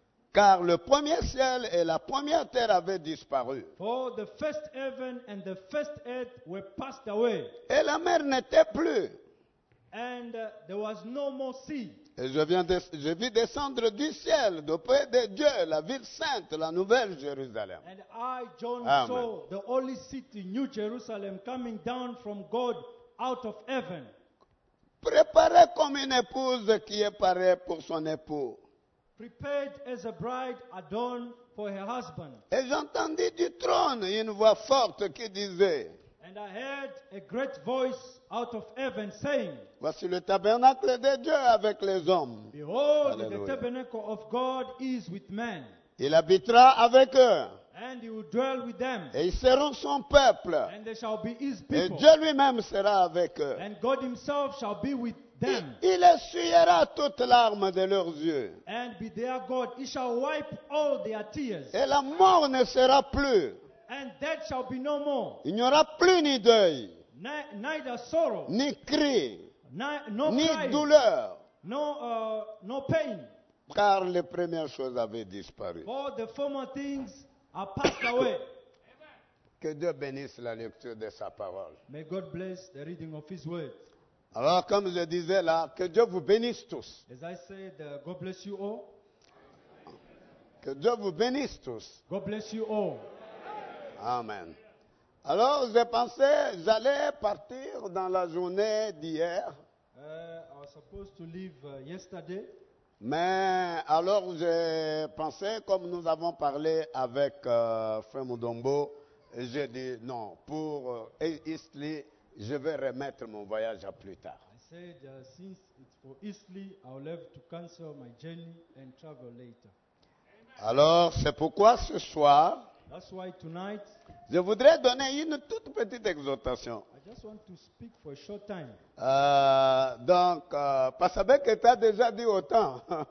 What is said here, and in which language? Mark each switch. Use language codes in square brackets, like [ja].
[fr] Car le premier ciel et la première terre avaient disparu. [en] For the first heaven and the first earth were passed away. [fr] Et la mer n'était plus. [en] And there was no more sea. [fr] Et je vis descendre du ciel, de près de Dieu, la ville sainte, la nouvelle Jérusalem. [en] And I, John, Amen. Saw the holy city, New Jerusalem, coming down from God out of heaven. [fr] Préparée comme une épouse qui est parée pour son époux. [en] prepared as a bride adorned for her husband. [fr] Et j'entendis du trône une voix forte qui disait. [en] And I heard a great voice out of heaven saying. [fr] Voici le tabernacle de Dieu avec les hommes. [en] Behold, Alleluia. The tabernacle of God is with men. [fr] Il habitera avec eux. [en] And he will dwell with them. [fr] Et ils seront son peuple. [en] And they shall be his people. [fr] Et Dieu lui-même sera avec eux. [en] And God himself shall be with them. [fr] Il essuiera toutes larmes de leurs yeux. [en] And be their God. He shall wipe all their tears. [fr] Et la mort ne sera plus. [en] And death shall be no more. [fr] Il n'y aura plus ni deuil. [en] Neither sorrow. [fr] Ni cri. [en] No cry. [fr] Ni douleur. [en] No pain. [fr] Car les premières choses avaient disparu. [en] For the former things are passed away. [fr] Que Dieu bénisse la lecture de sa parole. [en] May God bless the reading of his words. [fr] Alors, comme je disais là, que Dieu vous bénisse tous. [en] As I said, God bless you all. [fr] Que Dieu vous bénisse tous. [en] God bless you all. Amen. [fr] Alors, j'ai pensé, j'allais partir dans la journée d'hier. [en] I was supposed to leave yesterday. [fr] Mais alors j'ai pensé, comme nous avons parlé avec Frère Mudombo, j'ai dit non, pour Eastleigh, je vais remettre mon voyage à plus tard. [en] I said, since it's for Eastleigh, I'll have to cancel my journey and travel later. [fr] Alors c'est pourquoi ce soir, [en] that's why tonight, [fr] je voudrais donner une toute petite exhortation. [en] I just want to speak for a short time. [fr] Pastor Beckett a déjà dit autant.